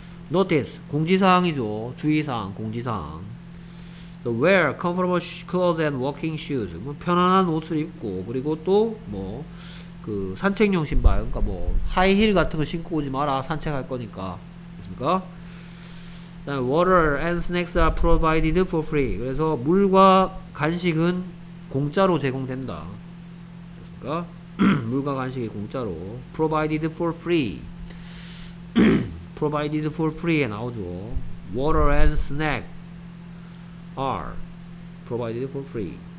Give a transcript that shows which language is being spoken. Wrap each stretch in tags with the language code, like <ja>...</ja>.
<en>Notice</en> <ko>공지사항이죠. 주의사항 공지사항.</ko> <en>The wear comfortable clothes and walking shoes.</en> <ko>뭐 편안한 옷을 입고 그리고 또 뭐 그 산책용 신발, 그러니까 뭐 하이힐 같은 거 신고 오지 마라 산책할 거니까, 그렇습니까?</ko> <en>Then water and snacks are provided for free.</en> <ko>그래서 물과 간식은 공짜로 제공된다, 그렇습니까? 물과 간식이 공짜로</ko> <en>provided for free. provided for free</en> <ko>에 나오죠.</ko> <en>Water and snack are provided for free.</en>